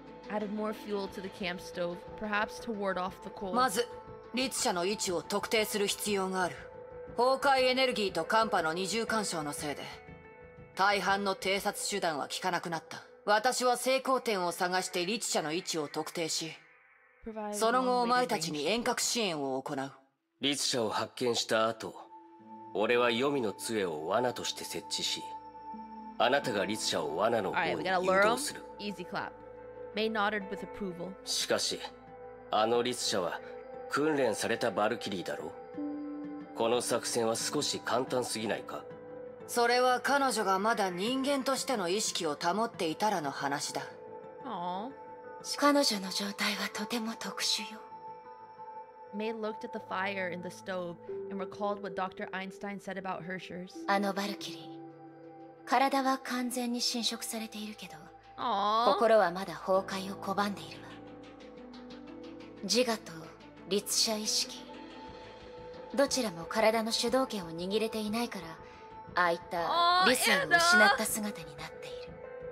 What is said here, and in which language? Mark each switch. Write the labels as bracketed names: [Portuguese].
[English] Added more fuel to the camp stove, perhaps to ward off the cold. [Japanese] まず、律者の位置を特定する必要がある。崩壊エネルギーと寒波の二重干渉のせいで、大半の偵察手段は効かなくなった。私は成功点を探して律者の位置を特定し、その後お前たちに遠隔支援を行う。律者を発見した後、俺は黄泉の杖を罠として設置し、あなたが律者を罠の方に誘導する。 [English] Easy clap. Mei nodded with approval. [Japanese] しかし、あの律者は訓練されたバルキリーだろう。この作戦は少し簡単すぎないか。それは彼女がまだ人間としての意識を保っていたらの話だ。彼女の状態はとても特殊よ。 [English] Mei looked at the fire in the stove and recalled what Dr. Einstein said about Herschers. [Japanese] あのバルキリー、体は完全に侵食されているけど、心はまだ崩壊を拒んでいるわ。自我と律者意識、どちらも体の主導権を握れていないから、ああいった理性を失った姿になっている。